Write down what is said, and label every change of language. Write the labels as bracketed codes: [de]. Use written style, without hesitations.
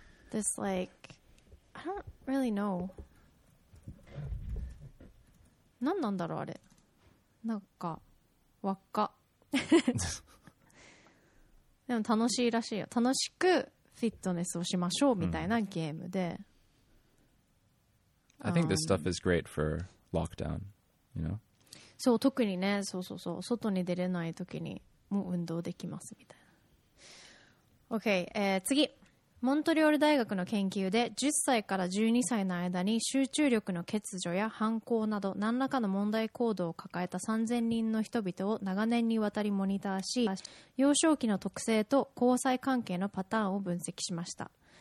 [en] This like, I don't really know. [ja] 何なんだろうあれ。なんか輪っかでも楽しいらしいよ。楽しくフィットネスをしましょうみたいなゲームで。 [en] I think this stuff is great for lockdown, you know? [ja] そう、特にね、そうそうそう、外に出れないときにもう運動できますみたいな。 OK、次。モントリオール大学の研究で10歳から12歳の間に集中力の欠如や反抗など何らかの問題行動を抱えた3000人の人々を長年にわたりモニターし、幼少期の特性と交際関係のパターンを分析しました。